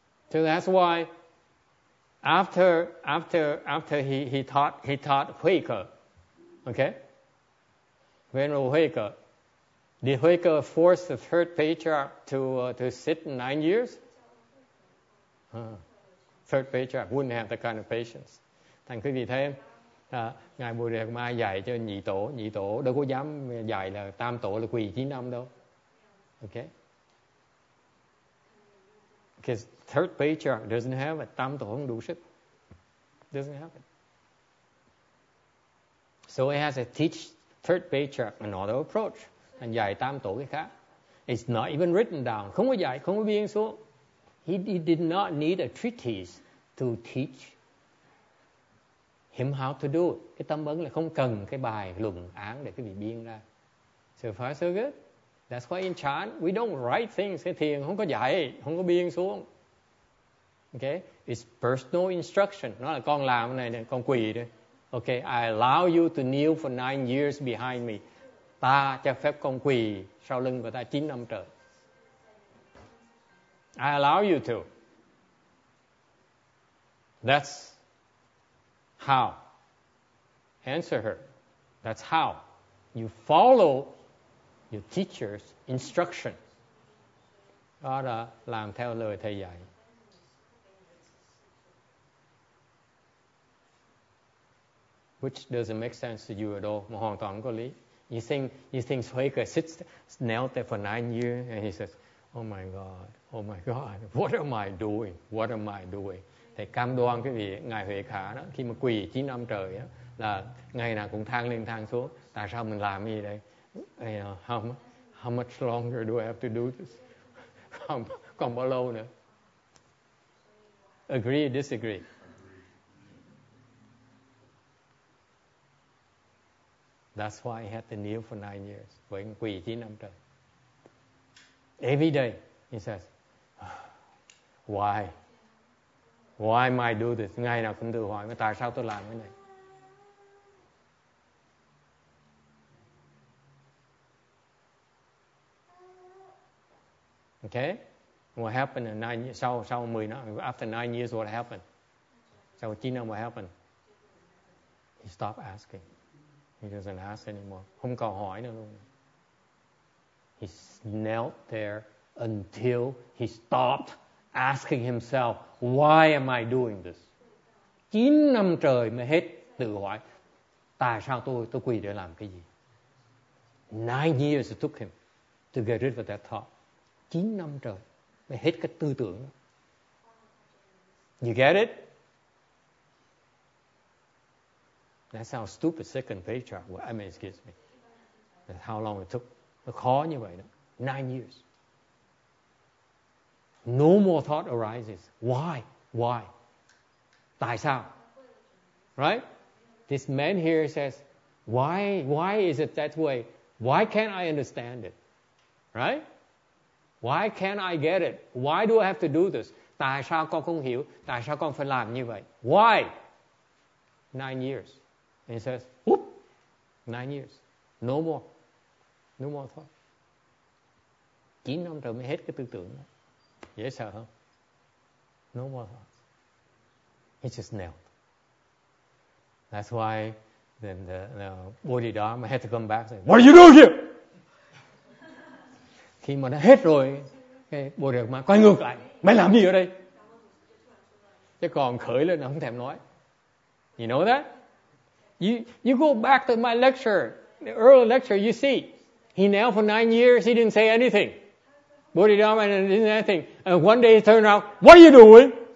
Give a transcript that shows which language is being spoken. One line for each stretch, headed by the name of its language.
English: So that's why after he taught Huệ Cờ, okay? Venerable Huệ Cờ, did Huệ Cờ force the third patriarch to sit 9 years? Third patriarch wouldn't have that kind of patience.
Vietnamese: Thành quý vị thấy, Ngài Bồ Đề Đạt Ma dạy cho nhị tổ đâu có dám dạy là tam tổ là quỳ 9 năm đâu, okay?
English: Because third patriarch doesn't have it.
Vietnamese: Tam tổ không đủ sức.
English: Doesn't have it. So he has to teach third patriarch another approach. And
Vietnamese: dạy tam tổ cái khác.
English: It's not even written down.
Vietnamese: Không có dạy, không có biên xuống.
English: He did not need a treatise to teach him how to do it.
Vietnamese: Cái tâm ấn là không cần cái bài luận án để cái vị biên ra.
English: So far so good. That's why in chan, we don't write things.
Vietnamese: Cái thiền không có dạy, không có biên xuống. Okay?
English: It's personal instruction.
Vietnamese: Nó là con làm cái này, con quỳ đây.
English: Okay, I allow you to kneel for 9 years behind me.
Vietnamese: Ta cho phép con quỳ sau lưng của ta 9 năm trời.
English: I allow you to. That's how. Answer her. That's how. You follow your teacher's instruction.
Vietnamese: Đó là làm theo lời thầy dạy.
English: Which doesn't make sense to you at all.
Vietnamese: Mà hoàn toàn có lý.
English: You think Huệ Cờ sits knelt there for 9 years and he says, oh my God, what am I doing?
Vietnamese: Thầy cam đoan quý vị, Ngài Huệ Khả đó, khi mà quỳ 9 năm trời đó, là ngày nào cũng thang lên thang xuống. Tại sao mình làm gì đây?
English: How much longer do I have to do this?
Vietnamese: Còn bao lâu nữa?
English: Agree, disagree? That's why I had to kneel for 9 years.
Vietnamese: Vậy quỳ 9 năm trời.
English: Every day, he says, why? Why am I doing this?
Vietnamese: Ngày nào cũng tự hỏi, tại sao tôi làm cái này?
English: Okay? What happened in 9 years?
Vietnamese: Sau 10 năm,
English: after 9 years, what happened?
Vietnamese: Sau 9 năm,
English: what happened? He stopped asking. He doesn't ask anymore.
Vietnamese: Không còn hỏi nữa luôn.
English: He knelt there until he stopped asking himself, why am I doing this?
Vietnamese: 9 năm trời mới hết tự hỏi, tại sao tôi quỳ để làm cái gì?
English: 9 years it took him to get rid of that thought.
Vietnamese: 9 năm trời mới hết cái tư tưởng.
English: You get it? That's how stupid second patriarch was. I mean, excuse me. That's how long it took.
Vietnamese: Nó khó như vậy đó.
English: 9 years. No more thought arises. Why? Why?
Vietnamese: Tại sao?
English: Right? This man here says, why? Why is it that way? Why can't I understand it? Right? Why can't I get it? Why do I have to do this?
Vietnamese: Tại sao con không hiểu? Tại sao con phải làm như vậy?
English: Why? 9 years. And he says, whoop, 9 years. No more. No more thought.
Vietnamese: 9 năm rồi mới hết cái tư tưởng đó. Dễ sợ không?
English: No more thoughts. He just knelt. That's why then the Bodhidharma had to come back and say, what are you doing here?
Vietnamese: Khi mà đã hết rồi, cái Bodhidharma quay ngược lại. Mày làm gì ở đây? Chứ còn khởi lên là không thèm nói.
English: You know that? You go back to my lecture, the early lecture, you see. He knelt for 9 years, he didn't say anything. Bodhidharma didn't say anything. And one day he turned around, what are you doing?